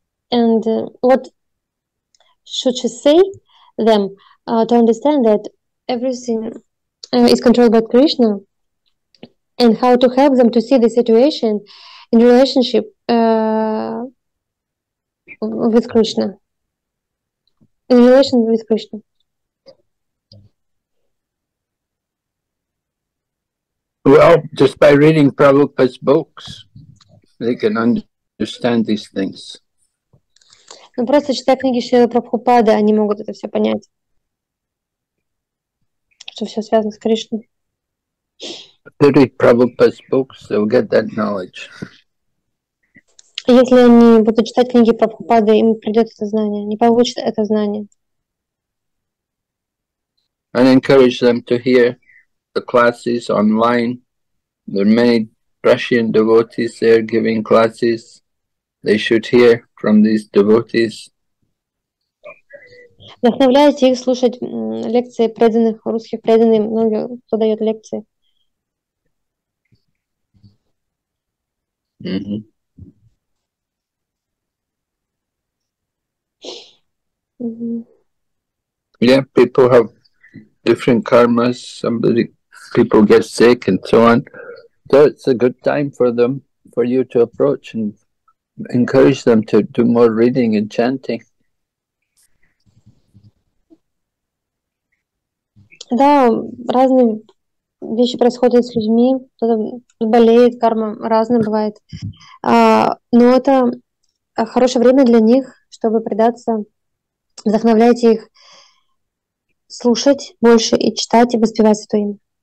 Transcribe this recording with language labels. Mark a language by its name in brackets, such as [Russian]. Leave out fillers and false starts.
[English] What should she say them to understand that everything is controlled by Krishna, and how to help them to see the situation in relationship with Krishna, in relation with Krishna. Well, just by reading Prabhupada's books, they can understand these things. [Russian] Ну просто читая книги Шрилы Прабхупады, они могут это все понять, что все связано с Кришной. [English] Read Prabhupada's books, they'll get that knowledge. [Russian] Если они будут читать книги Прабхупады, им придет это знание, они получат это знание. [English] And encourage them to hear the classes online. There are many Russian devotees there giving classes. They should hear from these devotees. [Russian] Вдохновляйте их слушать лекции преданных, русских преданных, многие подают лекции. [English] Yeah, people have different karmas. People get sick and so on. So it's a good time for them, for you to approach and encourage them to do more reading and chanting. [Russian] Да, разные вещи происходят с людьми. Кто-то болеет, карма разная бывает. Но это хорошее время для них, чтобы предаться. Вдохновляйте их слушать больше и читать, и воспевать Святое Имя.